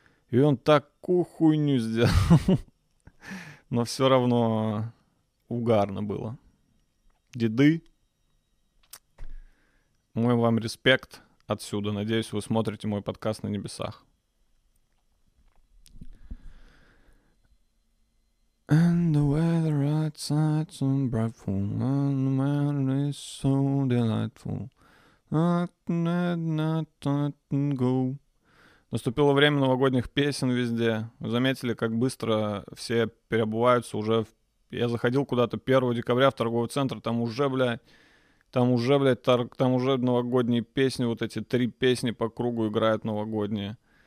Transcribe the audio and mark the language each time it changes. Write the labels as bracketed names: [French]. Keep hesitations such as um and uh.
[Russian] И он такую хуйню сделал. Но все равно угарно было. Деды, мой вам респект отсюда. Надеюсь, вы смотрите мой подкаст на небесах. [English] And the weather outside so brightful, and the man is so delightful. At midnight I can go. [Russian] Наступило время новогодних песен везде. Вы заметили, как быстро все переобуваются уже в я заходил куда-то 1 декабря в торговый центр, там уже, бля, там уже, блядь, тор- там уже новогодние песни, вот эти три песни по кругу играют новогодние.